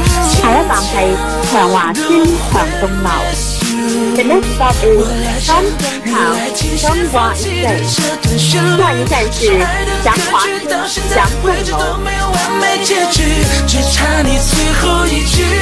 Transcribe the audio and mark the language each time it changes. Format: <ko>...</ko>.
<zh>下一站是长华村长东楼。</zh> <en>The next stop is 三中桥长华一站。</en> <zh>下一站是长华村长东楼。没结局，只差你最后一句。</zh>